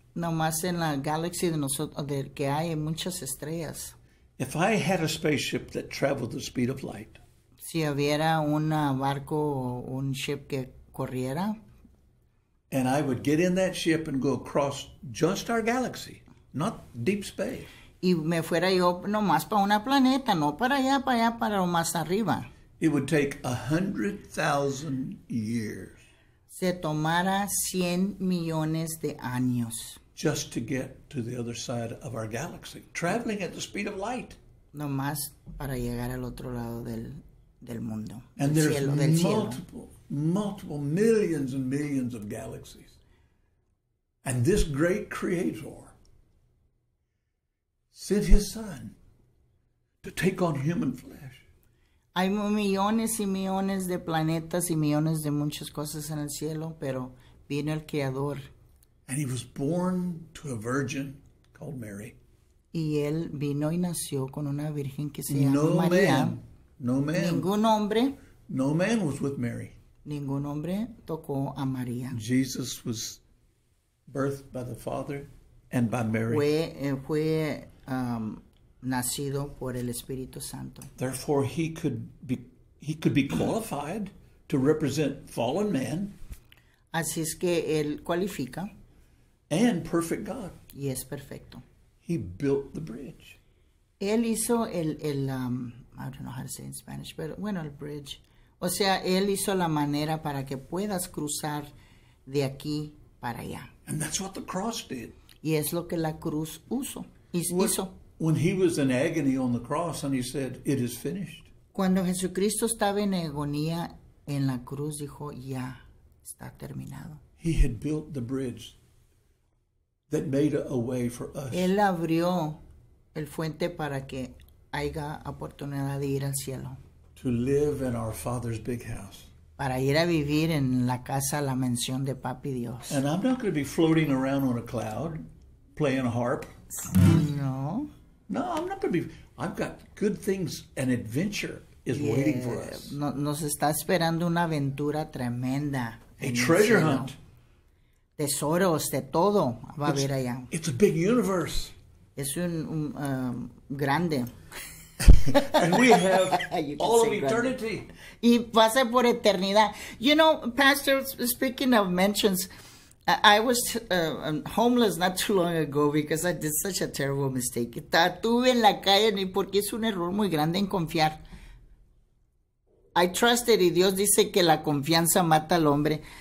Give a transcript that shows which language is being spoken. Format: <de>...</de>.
<es>No más en la galaxia de nosotros, de que hay muchas estrellas.</es> <en>If I had a spaceship that traveled the speed of light.</en> <es>Si hubiera un barco o un ship que corriera.</es> <en>And I would get in that ship and go across just our galaxy, not deep space.</en> <es>Y me fuera yo no más para una planeta, no para allá, para más arriba.</es> <en>It would take 100,000 years.</en> <es>Se tomara 100 millones de años.</es> <en>Just to get to the other side of our galaxy. Traveling at the speed of light.</en> <es>Nomás para llegar al otro lado del mundo.</es> <en>And there's</en> <es>cielo, del</es> <en>multiple,</en> <es>cielo.</es> <en>Multiple millions and millions of galaxies. And this great Creator sent his son to take on human flesh.</en> <es>Hay millones y millones de planetas y millones de muchas cosas en el cielo, pero vino el Creador.</es> <en>And he was born to a virgin called Mary.</en> <es>Y él vino y nació con una virgen que se llama no María.</es> <en>No man.</en> <es>Ningún hombre.</es> <en>No man was with Mary.</en> <es>Ningún hombre tocó a María.</es> <en>Jesus was birthed by the Father and by Mary.</en> <es>Nacido por el Espíritu Santo.</es> <en>Therefore, he could be qualified to represent fallen man.</en> <es>Así es que él cualifica.</es> <en>And perfect God.</en> <es>Y es perfecto.</es> <en>He built the bridge.</en> <es>Él hizo</es> <en>I don't know how to say it in Spanish, but</en> <es>bueno, el</es> <en>bridge.</en> <es>O sea, él hizo la manera para que puedas cruzar de aquí para allá.</es> <en>And that's what the cross did.</en> <es>Y es lo que la cruz hizo.</es> <en>When he was in agony on the cross and he said, "It is finished."</en> <es>Cuando Jesucristo estaba en agonía en la cruz, dijo, ya, está terminado.</es> <en>He had built the bridge that made a way for us.</en> <es>Él abrió el fuente para que haya oportunidad de ir al cielo.</es> <en>To live in our Father's big house.</en> <es>Para ir a vivir en la casa, la mansión de Papi Dios.</es> <en>And I'm not going to be floating around on a cloud, playing a harp.</en> <es>No.</es> <en>No, I'm not going to be. I've got good things. An adventure is waiting for us.</en> <es>Nos está esperando una aventura tremenda.</es> <en>A treasure hunt.</en> <es>Tesoros, de todo. Va a haber allá.</es> <en>It's a big universe.</en> <es>Es un grande.</es> <en>And we have all of eternity.</en> <es>Y pase por eternidad.</es> <en>You know, Pastor, speaking of mentions, I was homeless not too long ago because I did such a terrible mistake.</en> <es>Estuve en la calle porque es un error muy grande en confiar.</es> <en>I trusted,</en> <es>y Dios dice que la confianza mata al hombre.</es>